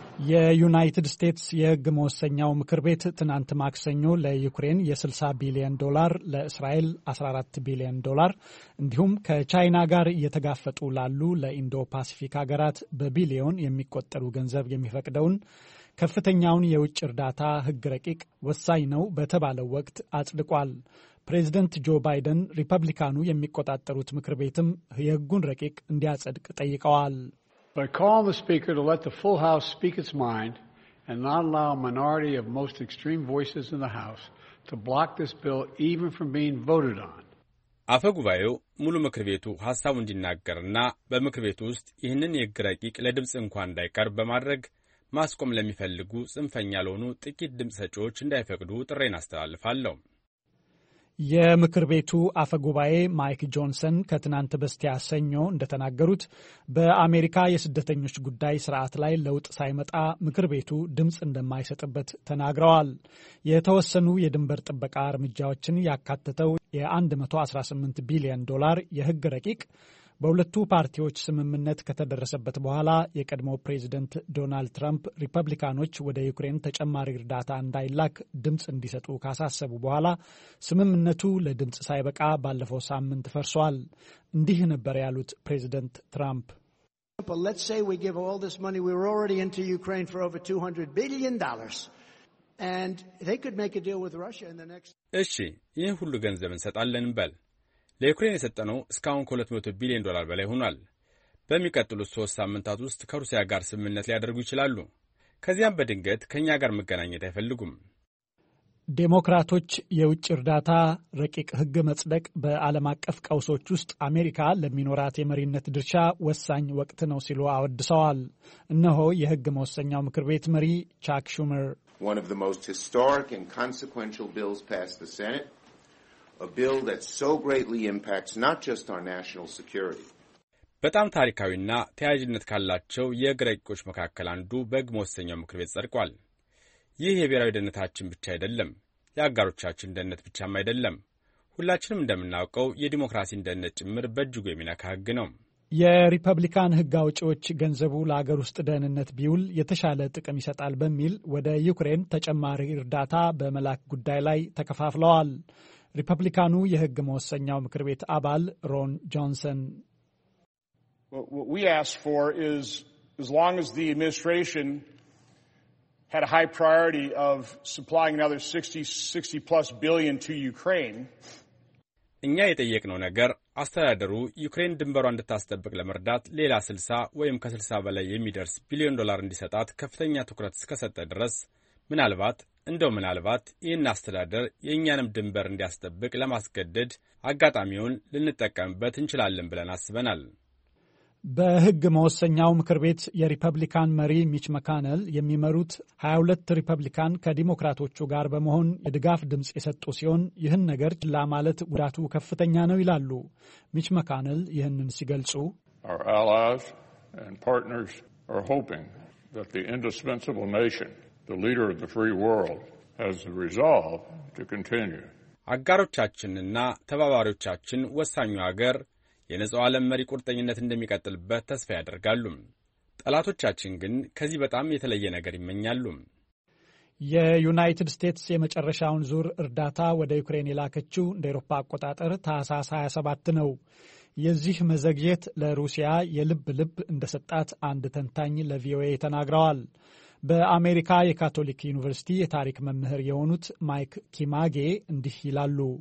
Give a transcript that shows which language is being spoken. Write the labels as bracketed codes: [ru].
[am] የዩናይትድ ስቴትስ የህግ መወሰኛው ምክር ቤት ትናንት ማክሰኞ ለዩክሬን የ60 ቢሊዮን ዶላር፣ ለእስራኤል 14 ቢሊዮን ዶላር እንዲሁም ከቻይና ጋር እየተጋፈጡ ላሉ ለኢንዶ ፓሲፊክ ሀገራት በቢሊዮን የሚቆጠሩ ገንዘብ የሚፈቅደውን ከፍተኛውን የውጭ እርዳታ ህግ ረቂቅ ወሳኝ ነው በተባለው ወቅት አጽድቋል። ፕሬዚደንት ጆ ባይደን ሪፐብሊካኑ የሚቆጣጠሩት ምክር ቤትም የህጉን ረቂቅ እንዲያጸድቅ ጠይቀዋል። [en] But I call on the speaker to let the full house speak its mind and not allow a minority of most extreme voices in the house to block this bill even from being voted on. [am] አፈ ጉባኤው ሙሉ ምክር ቤቱ ሐሳቡን እንዲናገርና በምክር ቤቱ ውስጥ ይህንን የሕግ ረቂቅ ለድምጽ እንኳን እንዳይቀርብ በማድረግ ማስቆም ለሚፈልጉ ጽንፈኛ ለሆኑ ጥቂት ድምጽ ሰጪዎች እንዳይፈቅዱ ጥሬን አስተላልፋለሁ። የምክር ቤቱ አፈ ጉባኤ ማይክ ጆንሰን ከትናንት በስቲያ ሰኞ እንደተናገሩት በአሜሪካ የስደተኞች ጉዳይ ስርዓት ላይ ለውጥ ሳይመጣ ምክር ቤቱ ድምጽ እንደማይሰጥበት ተናግረዋል። የተወሰኑ የድንበር ጥበቃ እርምጃዎችን ያካተተው የ118 ቢሊዮን ዶላር የሕግ ረቂቅ በሁለቱ ፓርቲዎች ስምምነት ከተደረሰበት በኋላ የቀድሞ ፕሬዚደንት ዶናልድ ትራምፕ ሪፐብሊካኖች ወደ ዩክሬን ተጨማሪ እርዳታ እንዳይላክ ድምጽ እንዲሰጡ ካሳሰቡ በኋላ ስምምነቱ ለድምጽ ሳይበቃ ባለፈው ሳምንት ፈርሷል። እንዲህ ነበር ያሉት ፕሬዚደንት ትራምፕ [en] example, let's say we give all this money. We were already into Ukraine for over $200 billion. And they could make a deal with Russia in the next... [am] እሺ ይህ ሁሉ ገንዘብን ሰጣለን በል ለዩክሬን የሰጠነው እስካሁን $200 billion በላይ ሆኗል። በሚቀጥሉት 3 ሳምንታት ውስጥ ከሩሲያ ጋር ስምምነት ሊያደርጉ ይችላሉ። ከዚያም በድንገት ከኛ ጋር መገናኘት አይፈልጉም። ዴሞክራቶች የውጭ እርዳታ ረቂቅ ህግ መጽደቅ በዓለም አቀፍ ቀውሶች ውስጥ አሜሪካ ለሚኖራት የመሪነት ድርሻ ወሳኝ ወቅት ነው ሲሉ አወድሰዋል። እነሆ የህግ መወሰኛው ምክር ቤት መሪ ቻክ ሹመር [en] One of the most historic and consequential bills passed the Senate, a bill that so greatly impacts not just our national security. [am] በጣም ታሪካዊና ተያያዥነት ካላቸው የግሬቆች መካከለ አንዱ በግ መወሰኛው ምክር ቤት ጸድቋል። ይህ የብሔራዊ ደህንነታችን ብቻ አይደለም፣ የአጋሮቻችን ደህንነት ብቻም አይደለም። ሁላችንም እንደምናውቀው የዲሞክራሲን ደህንነት ጭምር በእጅጉ የሚነካ ህግ ነው። የሪፐብሊካን ህግ አውጪዎች ገንዘቡ ለሀገር ውስጥ ደህንነት ቢውል የተሻለ ጥቅም ይሰጣል በሚል ወደ ዩክሬን ተጨማሪ እርዳታ በመላክ ጉዳይ ላይ ተከፋፍለዋል። ሪፐብሊካኑ የህግ መወሰኛው ምክር ቤት አባል ሮን ጆንሰን [en] What we asked for is as long as the administration had a high priority of supplying another 60 plus billion to Ukraine [am] እኛ የጠየቅነው ነገር አስተዳደሩ ዩክሬን ድንበሯን እንድታስጠብቅ ለመርዳት ሌላ 60 ወይም ከ60 በላይ የሚደርስ ቢሊዮን ዶላር እንዲሰጣት ከፍተኛ ትኩረት እስከሰጠ ድረስ ምናልባት ይህን አስተዳደር የኛንም ድንበር እንዲያስጠብቅ ለማስገደድ አጋጣሚውን ልንጠቀምበት እንችላለን ብለን አስበናል። በህግ መወሰኛው ምክር ቤት የሪፐብሊካን መሪ ሚች መካነል የሚመሩት 22 ሪፐብሊካን ከዲሞክራቶቹ ጋር በመሆን የድጋፍ ድምጽ የሰጡ ሲሆን ይህን ነገር ለማለት ጉዳቱ ከፍተኛ ነው ይላሉ። ሚች መካነል ይህንን ሲገልጹ [en] Our allies and partners are hoping that the indispensable nation, the leader of the free world, has the resolve to continue. [am] አጋሮቻችንና ተባባሪዎቻችን ወሳኙ ሀገር የነጻው ዓለም መሪ ቁርጠኝነት እንደሚቀጥልበት ተስፋ ያደርጋሉ። ጠላቶቻችን ግን ከዚህ በጣም የተለየ ነገር ይመኛሉ። የዩናይትድ ስቴትስ የመጨረሻውን ዙር እርዳታ ወደ ዩክሬን ላከችው እንደ አውሮፓ አቆጣጠር ታህሳስ 27 ነው። የዚህ መዘግየት ለሩሲያ የልብ ልብ እንደሰጣት አንድ ተንታኝ ለቪኦኤ ተናግረዋል። በአሜሪካ የካቶሊክ ዩኒቨርሲቲ የታሪክ መምህር የሆኑት ማይክ ኪማጌ እንዲህ ይላሉ።